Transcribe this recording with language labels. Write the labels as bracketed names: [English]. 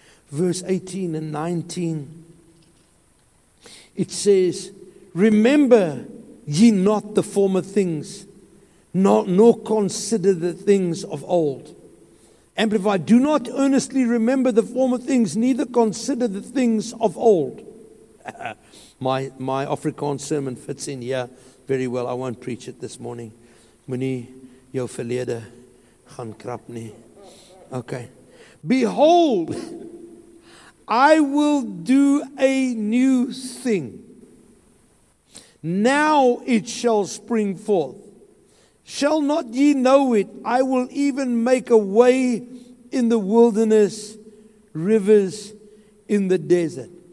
[English] Verse 18 and 19, it says, remember ye not the former things, nor consider the things of old. Amplified, do not earnestly remember the former things, neither consider the things of old. My Afrikaans sermon fits in here. very well. I won't preach it this morning. [Afrikaans] Moenie jou verlede gaan krap nie. [English] Okay. Behold, I will do a new thing. Now it shall spring forth. Shall not ye know it? I will even make a way in the wilderness, rivers in the desert.